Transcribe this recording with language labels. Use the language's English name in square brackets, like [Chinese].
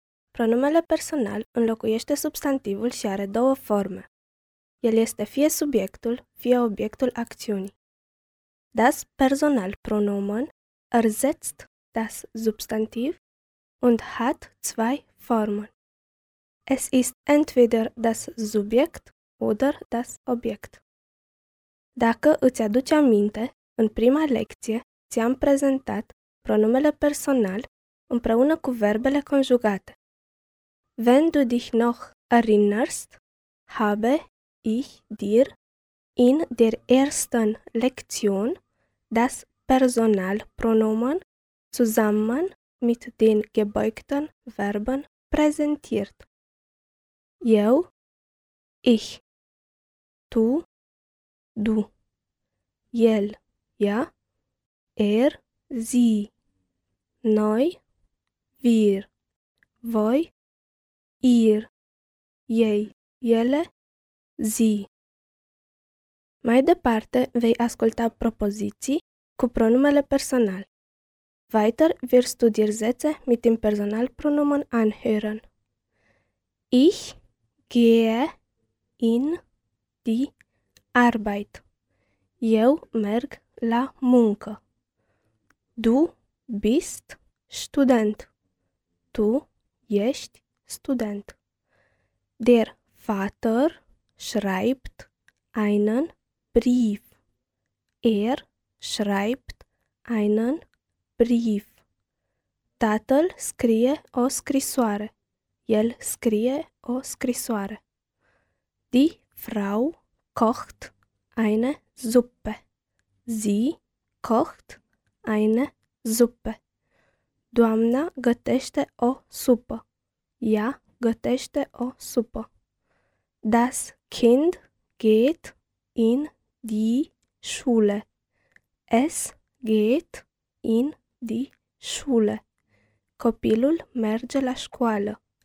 [Romanian] Pronumele personal înlocuiește substantivul și are două forme. El este fie subiectul, fie obiectul acțiunii. [German] Das Personalpronomen ersetzt das Substantiv und hat zwei Formen. Es ist entweder das Subjekt oder das Objekt. [Romanian] Dacă îți aduci aminte, în prima lecție ți-am prezentat pronumele personal împreună cu verbele conjugate. [German] Wenn du dich noch erinnerst, habe ich dir in der ersten Lektion das Personalpronomen zusammen mit den gebeugten Verben präsentiert. [Romanian] Eu, ich. Tu, du. El, ja. Sie. Noi, wir. Voi, ir. Ei, ele, zi. Mai departe vei asculta propoziții cu pronumele personal. [German] Weiter wirst du dir Sätze mit dem Personalpronomen anhören. Ich gehe in die Arbeit. [Romanian] Eu merg la muncă. [German] Du bist student. [Romanian] Tu ești student. [German] Der Vater schreibt einen Brief. Schreibt einen Brief. [Romanian] Tatăl scrie o scrisoare. El scrie o scrisoare. [German] Die Frau kocht eine Suppe. Sie kocht eine Suppe. [Romanian] Doamna gătește o supă. Ea gătește o supă. [German] Das Kind geht in die Schule. Es geht in die Schule. [Romanian] Copilul merge la școală.